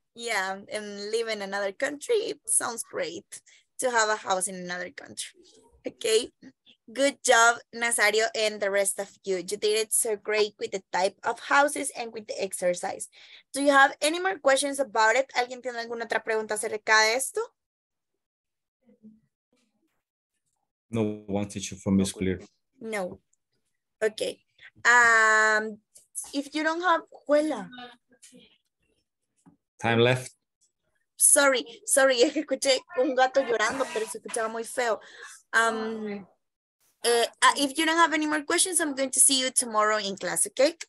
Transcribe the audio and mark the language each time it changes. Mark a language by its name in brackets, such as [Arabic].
[English] Yeah, and live in another country. It sounds great to have a house in another country. Okay, good job, Nazario, and the rest of you. You did it so great with the type of houses and with the exercise. Do you have any more questions about it? [Spanish] ¿Alguien tiene alguna otra pregunta acerca de esto? [English] No one teacher for me is clear. No. Okay. If you don't have escuela. Time left. [Spanish] Sorry, es que escuché un gato llorando, pero se escuchaba muy feo. [English] If you don't have any more questions, I'm going to see you tomorrow in class, okay?